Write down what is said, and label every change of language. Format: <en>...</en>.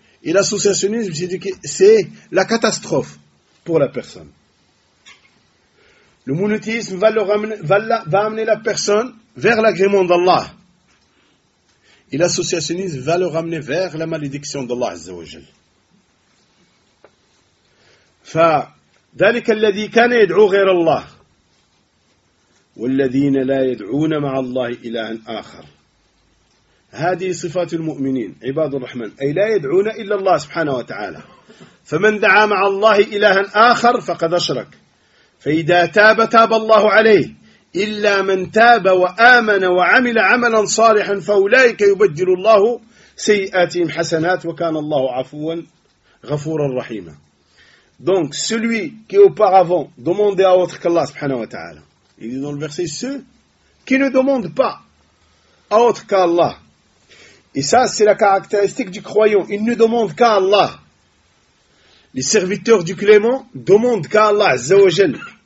<fr>Et l'associationnisme, c'est la catastrophe pour la personne. Le monothéisme va amener la personne vers l'agrément d'Allah. Et l'associationnisme va le ramener vers la malédiction d'Allah Azza wa Jal.</fr> <ar>Fa ذلك الذي كان يدعو غير الله والذين لا يدعون مع الله إلها آخر. هذه صفات المؤمنين عباد الرحمن، أي لا يدعون إلا الله سبحانه وتعالى. فمن دعا مع الله إلها آخر فقد أشرك. فإذا تاب تاب الله عليه، إلا من تاب وآمن وعمل عملا صالحا فأولئك يبدل الله سيئاتهم حسنات وكان الله عفوا غفورا رحيما.</ar> <fr>Donc, celui qui auparavant demandait à autre qu'Allah, subhanahu wa ta'ala, il dit dans le verset, ceux qui ne demandent pas à autre qu'Allah. Et ça, c'est la caractéristique du croyant. Il ne demande qu'à Allah. Les serviteurs du clément demandent qu'à Allah, azza wa jal.</fr>